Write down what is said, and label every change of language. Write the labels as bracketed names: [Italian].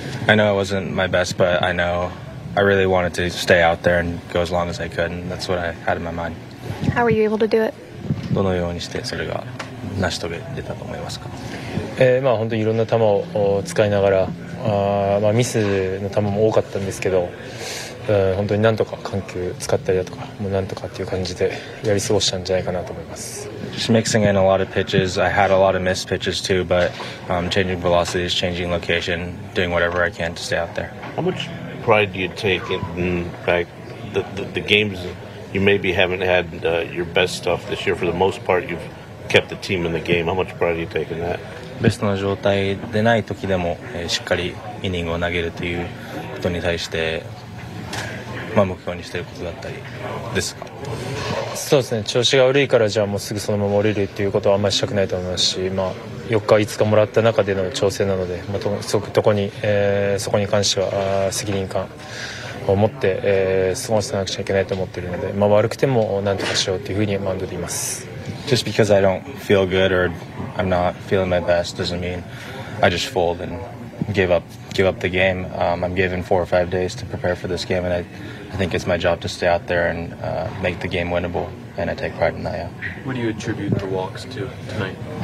[English] I know it wasn't my best, but I know I really wanted to stay out there and go as long as I could, and that's what I had in my mind. How were you able to do it? [Japanese] どのようにしてそれが成し遂げてたと思いますか？本当にいろんな球を使いながら、ミスの球も多かったんですけど、本当になんとか緩急使ったりだとか、もうなんとかっていう感じでやり過ごしたんじゃないかなと思います。 [English] Just mixing in a lot of pitches. I had a lot of missed pitches too, but changing velocities, changing location, doing whatever I can to stay out there. How much pride do you take in fact the games you maybe haven't had your best stuff this year? For the most part, you've kept the team in the game. How much pride do you take in that? [Japanese] ベストな状態でない時でも、しっかりイニングを投げるということに対して、目標にしていることだったりですか？そうですね、調子が悪いからじゃあもうすぐそのまま降りるということはあんまりしたくないと思いますし、4日5日もらった中での調整なので、すごくそこに関しては責任感を持って、過ごさなくちゃいけないと思っているので、悪くても何とかしようというふうにマウンドでいます。 [English] Just because I don't feel good or I'm not feeling my best doesn't mean I just fold and give up the game. I'm given 4 or 5 days to prepare for this game, and I think it's my job to stay out there and make the game winnable, and I take pride in that, yeah. What do you attribute the walks to tonight?